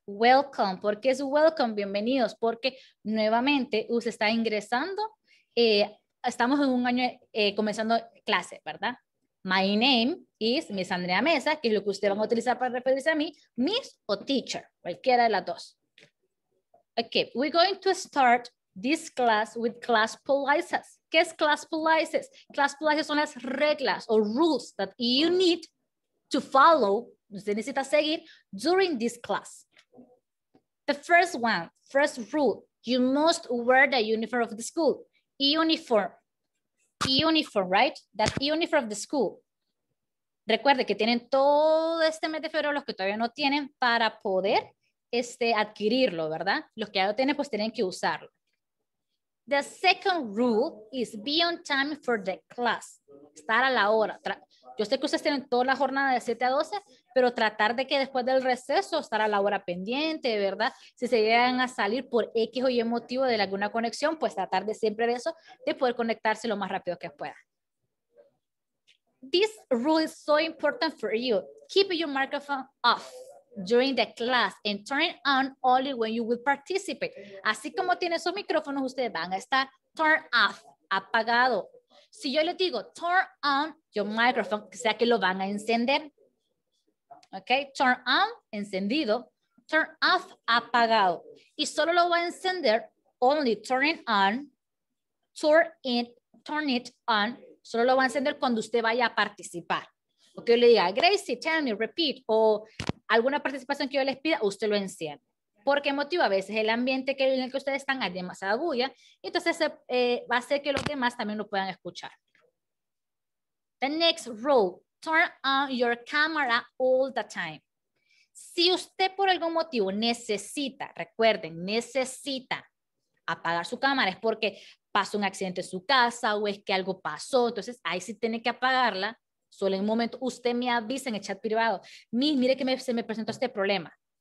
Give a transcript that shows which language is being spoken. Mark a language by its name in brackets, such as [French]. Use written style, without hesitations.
[English] Welcome, [Spanish] porque es [English] welcome, [Spanish] bienvenidos, porque nuevamente usted está ingresando. Estamos en un año comenzando clase, ¿verdad? [English] My name is Miss Andrea Mesa, [Spanish] que es lo que usted va a utilizar para referirse a mí. Miss o teacher, cualquiera de las dos. [English] Ok, we're going to start this class with class polices. [Spanish] ¿Qué es [English] class polices? Class polices [Spanish] son las reglas o [English] rules that you need to follow, [Spanish] usted necesita seguir, [English] during this class. The first one, first rule, you must wear the uniform of the school. Uniform. Uniform, right? That uniform of the school. [Spanish] Recuerde que tienen todo este mes de febrero los que todavía no tienen para poder adquirirlo, ¿verdad? Los que ya lo tienen, pues tienen que usarlo. [English] The second rule is be on time for the class. [Spanish] Estar a la hora. Yo sé que ustedes tienen toda la jornada de 7 a 12, pero tratar de que después del receso estar a la hora pendiente, ¿verdad? Si se llegan a salir por X o Y motivo de alguna conexión, pues tratar de siempre de eso, de poder conectarse lo más rápido que pueda. [English] This rule is so important for you. Keep your microphone off during the class and turn on only when you will participate. [Spanish] Así como tiene sus micrófonos, ustedes van a estar [English] turn off, [Spanish] apagado. Si yo les digo [English] turn on your microphone, [Spanish] que sea que lo van a encender. [English] Ok, turn on, [Spanish] encendido. [English] Turn off, [Spanish] apagado. Y solo lo va a encender, [English] only turn on, turn it on. [Spanish] Solo lo va a encender cuando usted vaya a participar. Ok, yo le diga, Gracie, [English] tell me, repeat. [Spanish] O alguna participación que yo les pida, usted lo enciende. ¿Por qué motivo? A veces el ambiente en el que ustedes están es demasiada bulla. Entonces va a hacer que los demás también lo puedan escuchar. [English] The next rule, turn on your camera all the time. [Spanish] Si usted por algún motivo necesita, recuerden, necesita apagar su cámara, es porque pasó un accidente en su casa o es que algo pasó. Entonces ahí sí tiene que apagarla. Solo en un momento usted me avisa en el chat privado. Mire que se me presentó este problema.